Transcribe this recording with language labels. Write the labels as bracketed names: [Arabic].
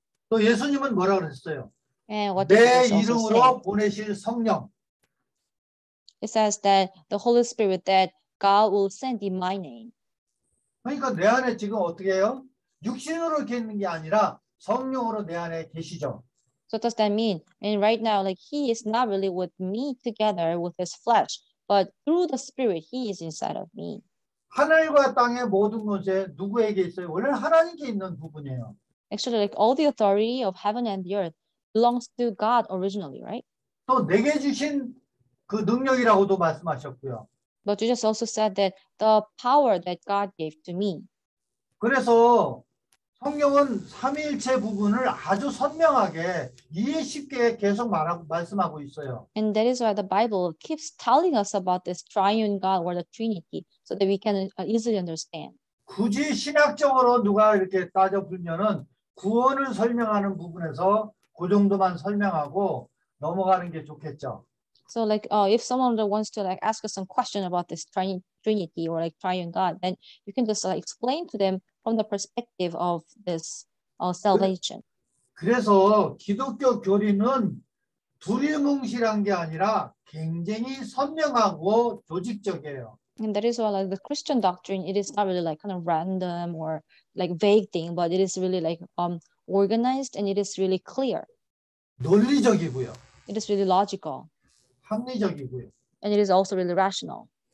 [Korean] 또 예수님은 뭐라 그랬어요? [English] And what did Jesus say? [Korean] 내 이름으로 보내실 성령. [English] It says that the Holy Spirit that God will send in my name. [Korean] 그러니까 내 안에 지금 어떻게 해요? 육신으로 계시는 게 아니라 성령으로 내 안에 계시죠. [English] So does that mean? And right now, like he is not really with me together with his flesh, but through the Spirit, he is inside of me. [Korean] 하늘과 땅의 모든 것에 누구에게 있어요? 원래 하나님께 있는 부분이에요. [English] Actually, like all the authority of heaven and the earth belongs to God originally, right? [Korean] 또 내게 주신 그 능력이라고도 말씀하셨고요. [English] But Jesus also said that the power that God gave to me. [Korean] 그래서 성경은 삼위일체 부분을 아주 선명하게 이해 쉽게 계속 말하고 말씀하고 있어요. [English] And that is why the Bible keeps telling us about this triune God or the Trinity so that we can easily understand. [Korean] 굳이 신학적으로 누가 이렇게 따져보면은 구원을 설명하는 부분에서 그 정도만 설명하고 넘어가는 게 좋겠죠. [English] So like if someone wants to like ask us some question about this Trinity or like triune God, then you can just explain to them from the perspective of this salvation. [Korean] 그래서 기독교 교리는 두리뭉실한 게 아니라 굉장히 선명하고 조직적이에요. [English] And that is why like the Christian doctrine, it is not really like kind of random or like vague thing, but it is really like organized and it is really clear. [Korean] 논리적이고요. [English] It is really logical. [Korean] 합리적이고요. [English] And it is also really rational.